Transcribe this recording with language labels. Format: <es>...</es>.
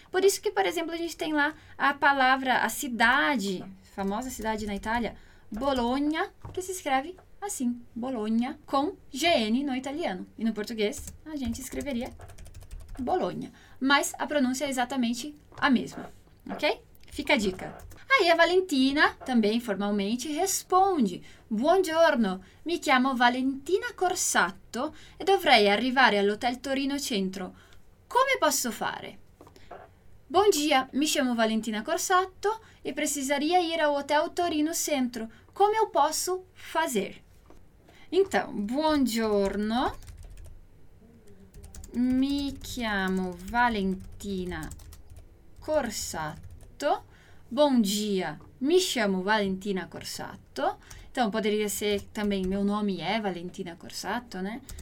<pt>Por isso que, por exemplo, a gente tem lá a palavra, a cidade, famosa cidade na Itália, Bologna, que se escreve assim, Bologna, com GN no italiano. E no português, a gente escreveria Bologna. Mas a pronúncia é exatamente a mesma, ok? Fica a dica. Aí a Valentina, também formalmente, responde:</pt> <it>Buongiorno, mi chiamo Valentina Corsatto e dovrei arrivare all'Hotel Torino Centro. Come posso fare?</it> <pt>Bom dia,</pt> <it>mi chiamo</it> <pt>Valentina Corsatto e precisaria ir ao Hotel Torino Centro. Come eu posso fazer? Então,</pt> <it>buongiorno, mi chiamo</it> <pt>Valentina Corsatto. Bom dia,</pt> <it>mi chiamo</it> <pt>Valentina Corsatto. Então, poderia ser também, meu nome é Valentina Corsatto, né?</pt>